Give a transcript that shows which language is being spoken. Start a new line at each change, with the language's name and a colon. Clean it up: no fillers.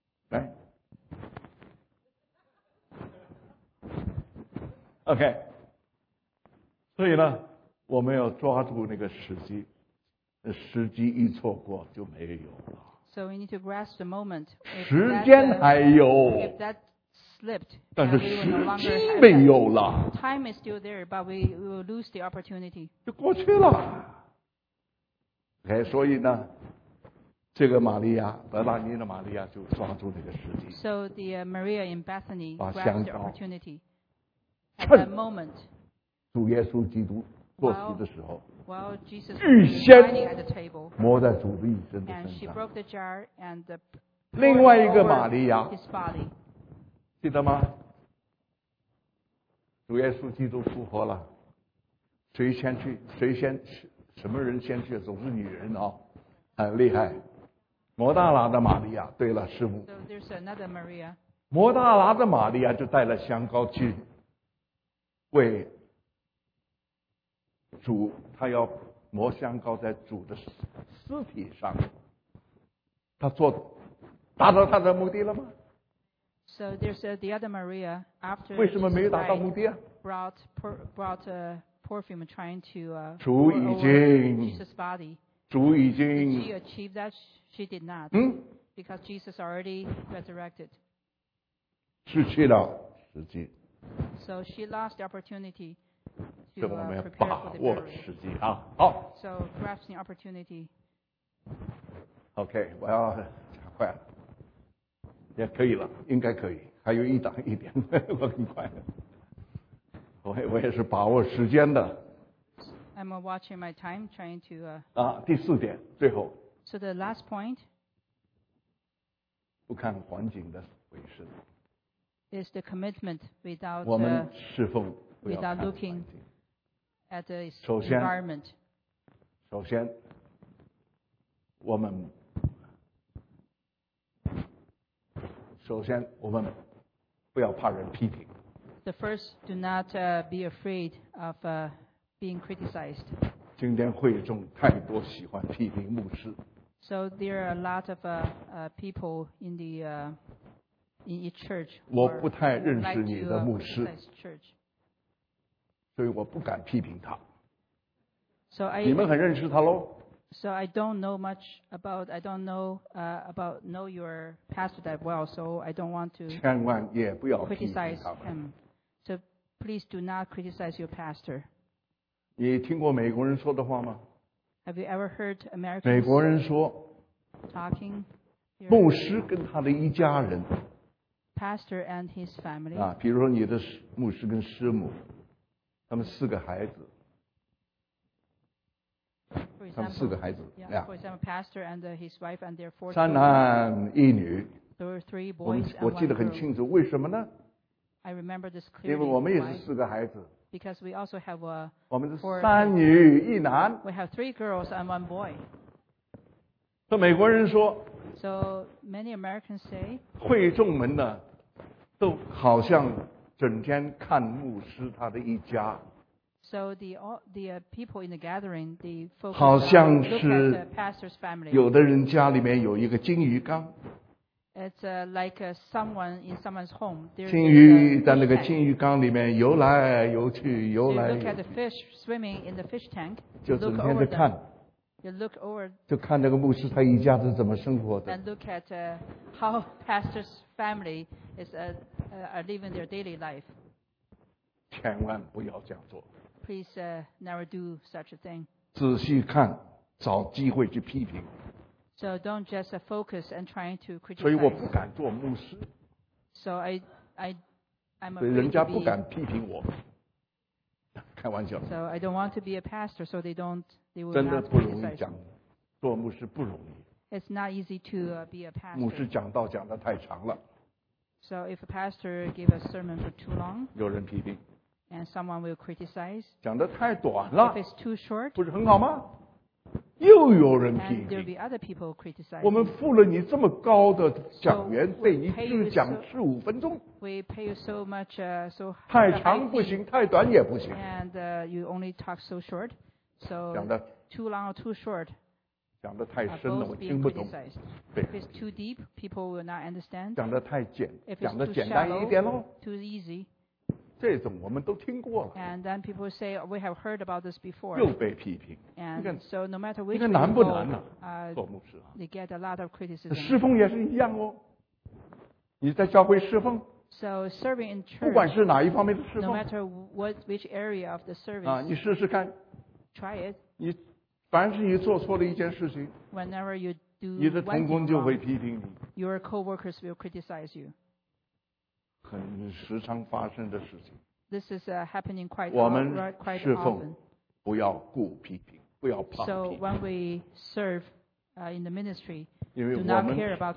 English: Right. Okay.
Chinese: 所以呢，我们要抓住那个时机，时机一错过就没有了。
English: So we need to grasp the moment.
Chinese: 时间还有。
English: If that slipped,
Chinese: 但是时机没有了。
English: Time is still there, but we will lose the opportunity.
Chinese: 就过去了。 Okay, 所以呢，这个玛利亚，伯大尼的玛利亚就抓住那个时机。
English: So the Maria in Bethany grabbed the opportunity at that moment.
Chinese: 主耶稣基督坐席的时候
English: while Jesus
Chinese: 预先摸在主的一身的身上另外一个玛利亚记得吗主耶稣基督复活了谁先去谁先什么人先去总是女人、哦、很厉害摩大拿的玛利亚，对了，师母。
English: So there's another Maria.
Chinese: 摩大拿的玛利亚就带了香膏去为主，他要抹香膏在主的尸体上。他做达到他的目的了吗？
English: So there's the other Maria after.
Chinese: 为什么没有达到目的啊
English: ？Brought a perfume trying to.
Chinese: 主已经。
English: Jesus' body.
Chinese: 主已经。
English: Did she achieve that? She did not. Because Jesus already resurrected.
Chinese: 失去了时机。
English: So she lost the opportunity.
Chinese: 所以我们要把握时机啊！好。
English: So grasping opportunity.
Chinese: Okay, 我要加快了。也可以了，应该可以，还有一档一点，呵呵，我很快。我也是把握时间的。
English: I'm watching my time, trying to.
Chinese: 啊，第四点，最后。
English: So the last point.
Chinese: 不看环境的回事。
English: Is the commitment without.
Chinese: 我们侍奉不要看环境。
English: Without looking at the environment.
Chinese: 首先，我们。首先，我们不要怕人批评。
English: The first, do not be afraid of being criticized.
Chinese: 今天会众太多喜欢批评牧师。
English: So there are a lot of people in the in each church.
Chinese: 我不太认识你的牧师。
English: Church.
Chinese: 所以我不敢批评他。
English: So I.
Chinese: 你们很认识他喽。
English: So I don't know much about, I don't know, about know your pastor that well, so I don't want to criticize him. So please do not criticize your pastor.
Chinese: 你听过美国人说的话吗?
English: Have you ever heard Americans
Chinese: 美国人说,
English: talking?
Chinese: 牧师跟他的一家人,
English: pastor and his family.
Chinese: 啊,比如说你的牧师跟师母, 他们四个孩子。他们四个孩子
English: yeah, for example, pastor and his wife and their four
Chinese: 三男一女
English: there were three boys and one girl.
Chinese: 我记得很清楚为什么呢
English: I remember this clearly
Chinese: 因为我们也是四个孩子
English: because we also have a
Chinese: 我们是三女一男
English: we have three girls and one boy
Chinese: 说美国人说
English: so many Americans say
Chinese: 会众们呢都好像整天看牧师他的一家
English: So the people in the gathering, the folks,
Chinese: 好像是
English: the pastor's family.
Chinese: 有的人家里面有一个金鱼缸。
English: It's like someone in someone's home.
Chinese: 金鱼在那个金鱼缸里面游来游去，游来。
English: You look at the fish swimming in the fish tank.
Chinese: 就整天在看。
English: You look over.
Chinese: 就看那个牧师他一家是怎么生活的。
English: And look at how pastor's family is are living their daily life.
Chinese: 千万不要这样做。
English: Please never do such a thing.
Chinese: 仔细看，找机会去批评。
English: So don't just focus and trying to criticize.
Chinese: 所以我不敢做牧师。
English: So I'm afraid.
Chinese: 人家不敢批评我。开玩笑。
English: So I don't want to be a pastor, so they don't. They will
Chinese: 真的不容易讲，做牧师不容易。
English: It's not easy to be a pastor.
Chinese: 牧师讲道讲得太长了。
English: So if a pastor gave a sermon for too long.
Chinese: 有人批评。
English: And someone will criticize.
Chinese: 讲得太短了。
English: If it's too short,
Chinese: 不是很好吗？又有人批评。
English: And there'll be other people criticizing.
Chinese: 我们付了你这么高的讲员费，你只讲四五分钟。
English: We pay you so much, so
Chinese: 太长不行，太短也不行。
English: And you only talk so short, so
Chinese: 讲得
English: too long or too short.
Chinese: 讲得太深了，我听不懂。
English: If it's too deep, people will not understand.
Chinese: 讲得太简，
English: if it's
Chinese: 讲得简单一点喽。
English: Too easy.
Chinese: 这种我们都听过了。
English: And then people say we have heard about this before.
Chinese: 又被批评。
English: And so no matter which,
Chinese: 你看难不难呢？做牧师啊。
English: They get a lot of criticism.
Chinese: 侍奉也是一样哦。你在教会侍奉。
English: So serving in church.
Chinese: 不管是哪一方面的侍奉。
English: No matter what which area of the service.
Chinese: 啊，你试试看。
English: Try it.
Chinese: 你凡是你做错了一件事情。
English: Whenever you do.
Chinese: 你的同工就会批评你。
English: Your coworkers will criticize you.
Chinese: 很时常发生的事情。
English: This is happening quite often.
Chinese: 我们侍奉，不要顾批评，不要怕批评。
English: So when we serve in the ministry, do not care about